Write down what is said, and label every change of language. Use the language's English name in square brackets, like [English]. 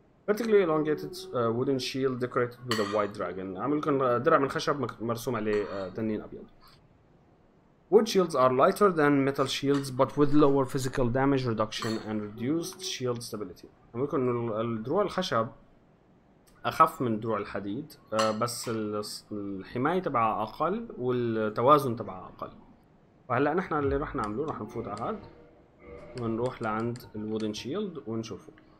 [English] Vertically elongated wooden shield decorated with a white dragon. [Arabic] عامل لكم درع من خشب مرسوم عليه تنين ابيض. [English] Wood shields are lighter than metal shields but with lower physical damage reduction and reduced shield stability. [Arabic] عامل لكم انه الدروع الخشب اخف من دروع الحديد، بس الحمايه تبعها اقل والتوازن تبعها اقل. فهلا نحن اللي رح نعمله رح نفوت على هاد ونروح لعند الودن شيلد ونشوفه.